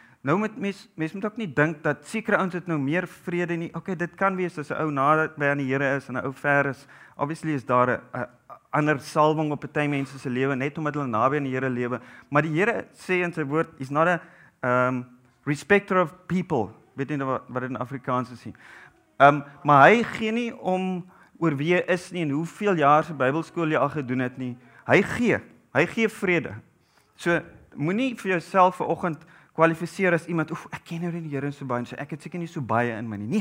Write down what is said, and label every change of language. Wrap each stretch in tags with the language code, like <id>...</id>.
<af>Nou met mens moet ook nie dink dat sekere ouens het nou meer vrede nie. Okay, dit kan wees as 'n ou nadat by aan die Here is en 'n ou ver is. Obviously is daar 'n ander salwing op baie mense se lewe net omdat hulle naby aan die Here lewe. Maar die Here sê in sy woord,</af> <en>he's not a respecter of people.</en> <af>Weet nie wat dit in Afrikaans is nie. Maar hy gee nie om oor wie jy is nie en hoeveel jaar se Bybelskool jy al gedoen het nie. Hy gee vrede. So moenie vir jouself vanoggend kwalifiseer as iemand, oef, ek ken nou die Here so baie, so ek het seker nie so baie in my nie.</af>